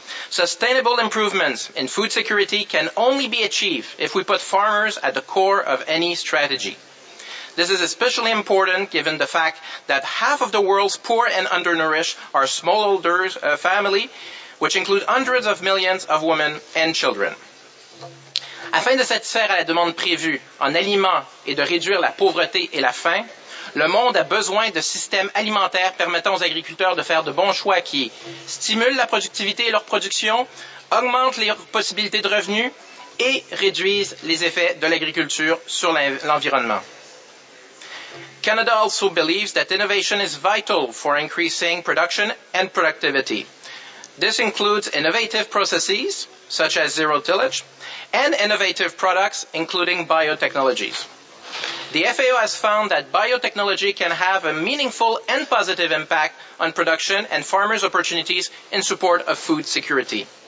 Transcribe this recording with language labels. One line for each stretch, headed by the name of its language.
English: Sustainable improvements in food security can only be achieved if we put farmers at the core of any strategy. This is especially important given the fact that half of the world's poor and undernourished are smallholders family, which include hundreds of millions of women and children.
French: Afin de satisfaire à la demande prévue en aliments et de réduire la pauvreté et la faim, le monde a besoin de systèmes alimentaires permettant aux agriculteurs de faire de bons choix qui stimulent la productivité et leur production, augmentent les possibilités de revenus et réduisent les effets de l'agriculture sur l'environnement.
English: Canada also believes that innovation is vital for increasing production and productivity. This includes innovative processes, such as zero tillage, and innovative products, including biotechnologies. The FAO has found that biotechnology can have a meaningful and positive impact on production and farmers' opportunities in support of food security.